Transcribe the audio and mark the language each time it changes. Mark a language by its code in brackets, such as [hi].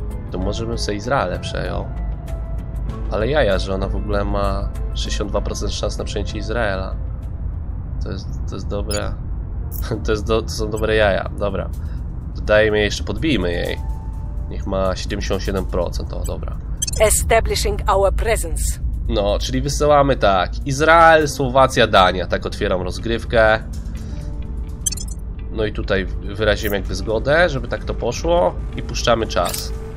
[pl] To może bym sobie Izrael przejął. Ale jaja, że ona w ogóle ma 62% szans na przejęcie Izraela. To jest dobre. To są dobre jaja. Dobra. Dodajmy jeszcze, podbijmy jej. Niech ma 77%. O, dobra. [en] Establishing our presence. [pl] No, czyli wysyłamy tak. Izrael, Słowacja, Dania. Tak otwieram rozgrywkę. No i tutaj wyrazimy jakby zgodę, żeby tak to poszło. I puszczamy czas.